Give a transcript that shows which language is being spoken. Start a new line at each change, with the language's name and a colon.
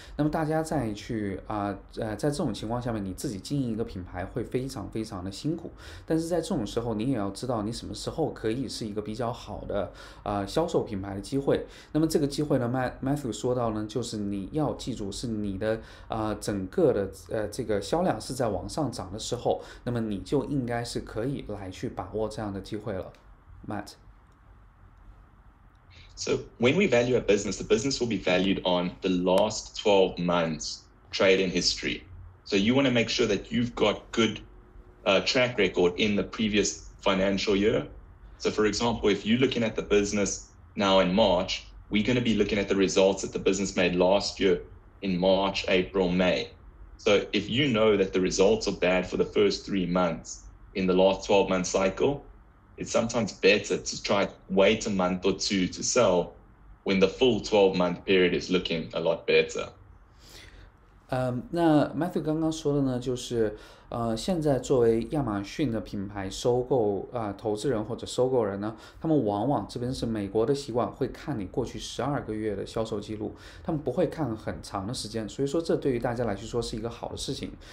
Chinese: 那么大家再去在这种情况下面，你自己经营一个品牌会非常非常的辛苦，但是在这种时候，你也要知道你什么时候可以是一个比较好的销售品牌的机会。那么这个机会呢，Matthew 说到呢，就是你要记住，是你的整个的这个销量是在往上涨的时候，那么你就应该是可以来去把握这样的机会了，Matt。
English: So when we value a business, the business will be valued on the last 12 months trading history. So you want to make sure that you've got good track record in the previous financial year. So for example, if you're looking at the business now in March, we're going to be looking at the results that the business made last year in March, April, May. So if you know that the results are bad for the first 3 months in the last 12-month cycle, it's sometimes better to try wait a month or two to sell when the full 12-month period is looking a lot better.
Chinese: 那 Matthew 刚刚说的呢，就是现在作为亚马逊的品牌收购投资人或者收购人呢，他们往往这边是美国的习惯，会看你过去12个月的销售记录，他们不会看很长的时间，所以说这对于大家来说是一个好的事情。